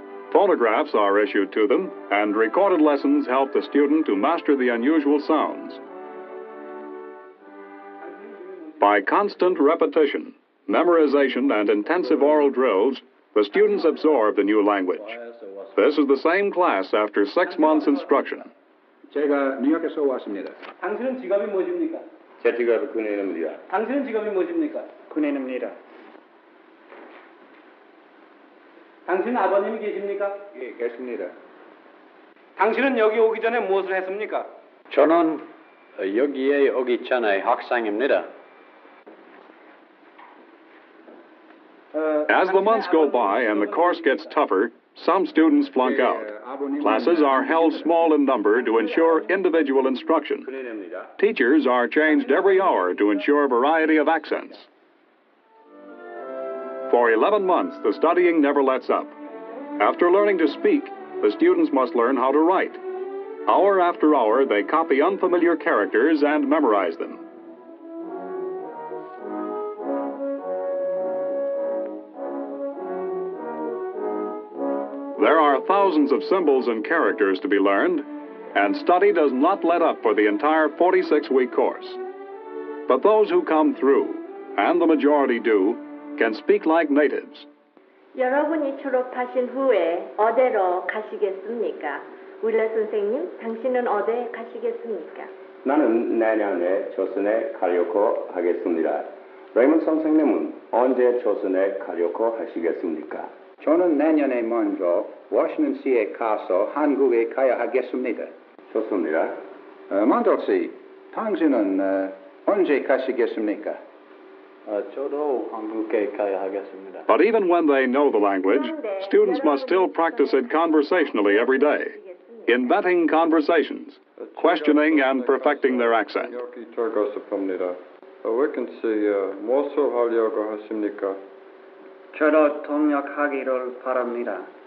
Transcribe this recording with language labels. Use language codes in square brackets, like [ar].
[en] Phonographs are issued to them, and recorded lessons help the student to master the unusual sounds. By constant repetition, memorization, and intensive oral drills, the students absorb the new language. This is the same class after 6 months' instruction. [ko] 제가 뉴욕에서 왔습니다. 당신은 직업이 무엇입니까? 제 직업은 군인입니다. 당신은 직업이 무엇입니까? 군인입니다. 당신 아버님이 계십니까? 예, 계십니다. 당신은 여기 오기 전에 무엇을 했습니까? 저는 여기에 오기 전에 학생입니다. [en] As the months go by and the course gets tougher, some students flunk out. Classes are held small in number to ensure individual instruction. Teachers are changed every hour to ensure variety of accents. For 11 months, the studying never lets up. After learning to speak, the students must learn how to write. Hour after hour, they copy unfamiliar characters and memorize them. There are thousands of symbols and characters to be learned, and study does not let up for the entire 46-week course. But those who come through, and the majority do, can speak like natives. [ko] 여러분이 졸업하신 후에 어디로 가시겠습니까? 우리 선생님, 당신은 어디에 가시겠습니까? 나는 내년에 조선에 가려고 하겠습니다. 레이먼 선생님은 언제 조선에 가려고 하시겠습니까? 저는 내년에 먼저 워싱턴시에 가서 한국에 가야 하겠습니다. 좋습니다. 만덕씨, 당신은 언제 가시겠습니까? 저도 한국에 가야 하겠습니다. [en] But even when they know the language, students must still practice it conversationally every day, inventing conversations, questioning and perfecting their accent. [ko] 여기 들고 싶습니다. 워싱턴시 무엇을 하려고 하십니까? 저도 통역하기를 바랍니다.